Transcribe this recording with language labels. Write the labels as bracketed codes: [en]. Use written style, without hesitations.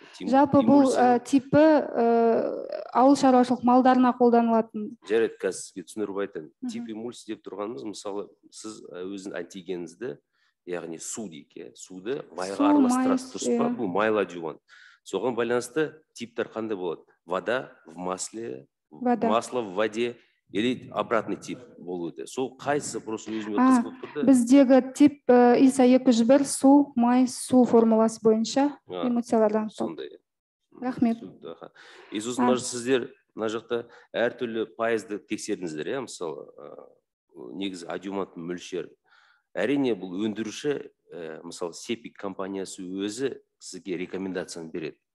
[kk] Жалпы бұл типі ауыл шаруашылық малдарына қолданылатын. Жарайды, қазір сізге түсіндіріп айтайын. Тип эмульсия деп тұрғанымыз, мысалы, сіз өзің антигеніңізді, яғни су дейді, суды майға араластырасыз, бұл майлы адювант. Соған байланысты типтер қандай болады? [ru] Вода в масле, масло в воде. Или обратный тип болуды. [kk] Су қайсы просто өзіме қызықты? Біздегі тип ИСА 201 су, май, су формуласы бойынша эмульсиялардан. Сондай. Рахмет. И сосын, сіздер мына жақта әртүрлі пайызды тексердіңіздер, иә? Мысалы, негізі адюмант мөлшер. Әрине, бұл өндіруші, мысалы, Сепик компаниясы өзі сізге рекомендацияны береді.